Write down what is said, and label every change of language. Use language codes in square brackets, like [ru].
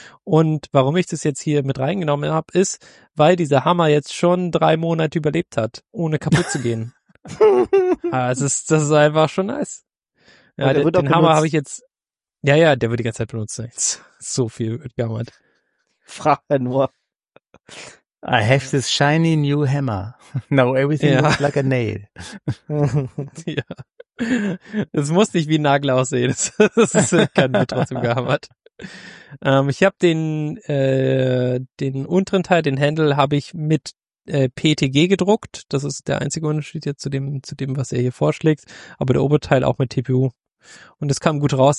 [de] Und warum ich das jetzt hier mit reingenommen habe, ist, weil dieser Hammer jetzt schon 3 Monate überlebt hat, ohne kaputt zu gehen. das ist einfach schon nice. Ja, den Hammer habe ich jetzt. Ja, der wird die ganze Zeit benutzt. So viel wird gehammert. Frage nur. [en] I have this shiny new hammer. Now everything looks like a nail. [de] Ja. Es muss nicht wie ein Nagel aussehen. Das kann mir trotzdem gehammert. Ich habe den unteren Teil, den Handle, habe ich mit PETG gedruckt. Das ist der einzige Unterschied jetzt zu dem, was er hier vorschlägt. Aber der Oberteil auch mit TPU. Und es kam gut raus.